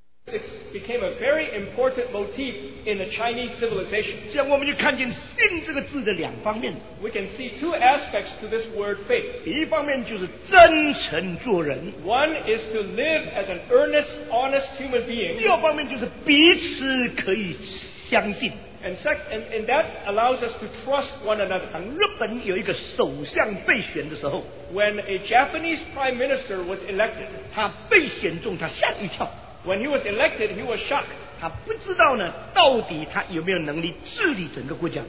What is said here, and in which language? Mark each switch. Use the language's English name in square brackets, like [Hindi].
[English] This became a very important motif in the Chinese civilization. [Chinese] 这样我们就看见信这个字的两方面。 [English] We can see two aspects to this word faith. [Chinese] 一方面就是真诚做人。 [English] One is to live as an earnest, honest human being. [Chinese] 第二方面就是彼此可以相信。 [English] And that allows us to trust one another. [Chinese] 当日本有一个首相被选的时候, [English] when a Japanese prime minister was elected, [Chinese] 他被选中他吓一跳。 [English] When he was elected, he was shocked. [Chinese] 他不知道呢, 到底他有没有能力治理整个国家。